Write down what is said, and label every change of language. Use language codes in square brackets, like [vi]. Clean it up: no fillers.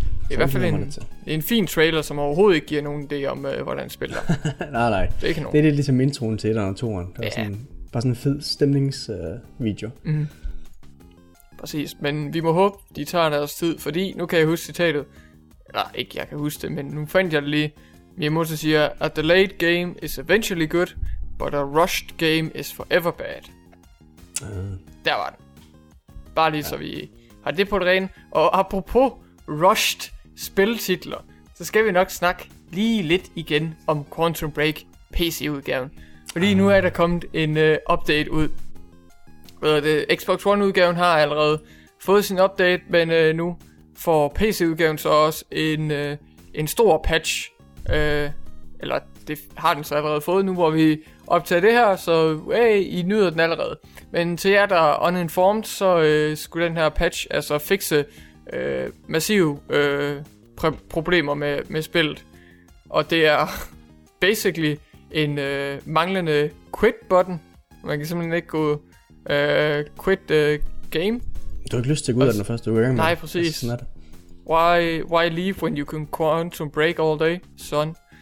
[da] I hvert fald en fin trailer, som overhovedet ikke giver nogen idé om, hvordan spiller. Nej. Det er ikke nogen. Det er lidt ligesom introen til 1 og 2'eren. Ja. Bare sådan en fed stemningsvideo. Mm. præcis. Men vi må håbe, de tager deres tid, fordi nu kan jeg huske citatet. Eller ikke, jeg kan huske det, men nu fandt jeg det lige. [en] Miyamoto [da] siger, [en] a delayed game is eventually good, but a rushed game is forever bad. [da] Der var den. Bare lige, ja. Så vi har det på det rene. Og apropos rushed spiltitler, så skal vi nok snakke lige lidt igen om Quantum Break PC-udgaven. Fordi nu er der kommet en update ud. Xbox One-udgaven har allerede fået sin update, men nu får PC-udgaven så også en stor patch. Eller det har den så allerede fået nu, hvor vi optager det her, så hey, I nyder den allerede. Men til jer, der er uninformed, så skulle den her patch altså fikse massive problemer med spillet. Og det er basically en manglende quit-button. Man kan simpelthen ikke gå quit game. Du har ikke lyst til at gå ud af den første uge. Nej, præcis. [en] Why leave when you can quantum break all day, son?